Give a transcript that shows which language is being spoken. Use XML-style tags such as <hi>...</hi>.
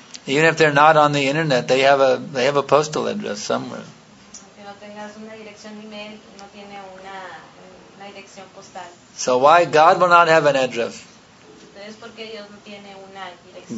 <en>Even if they're not on the internet, they have a postal address somewhere.</en> <es>Aunque no tengas una dirección de email, no tiene una dirección postal.</es> <en>So why God will not have an address?</en> <es>Entonces, ¿por qué Dios no tiene una dirección?</es>